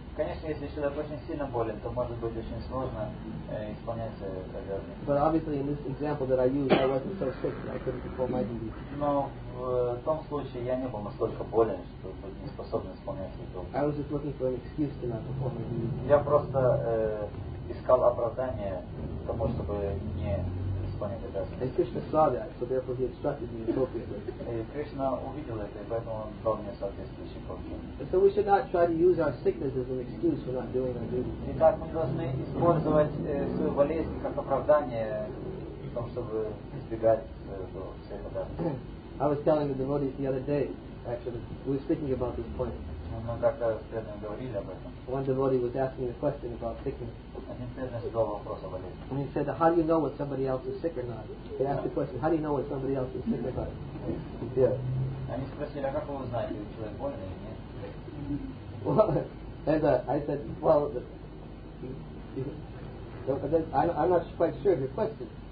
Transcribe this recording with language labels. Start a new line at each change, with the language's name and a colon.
Russian: Конечно, если человек очень сильно болен, то может быть очень сложно исполнять свои обязанности.
English: But obviously, in this example that I used, I wasn't so sick that I couldn't perform my duties.
Russian: Но в том случае я не был настолько болен, чтобы не способен исполнять свои долги.
English: I was just looking for an excuse to not perform my duties.
Russian: Я просто искал оправдание тому, чтобы не исполнять обязанности.
English: And Krishna saw that, so therefore he instructed me appropriately.
Russian: Кришна увидел это, и поэтому он дал мне соответствующий пункт.
English: So we should not try to use our sickness as an excuse for not doing our duty.
Russian: Итак, мы должны использовать свою болезнь как оправдание, чтобы избегать всех обязанностей.
English: I was telling the devotees the other day, actually, we were speaking about this point.
Russian: Мы как-то с преданным говорили об этом.
English: One devotee was asking a question about sickness.
Russian: Один преданный задал вопрос о болезни.
English: And he said, how do you know when somebody else is sick or not? He asked the question, how do you know when somebody else is sick or not? Yeah.
Russian: Они спросили, а как вы узнаете, человек болен или нет?
English: Well, I'm not quite sure of your question.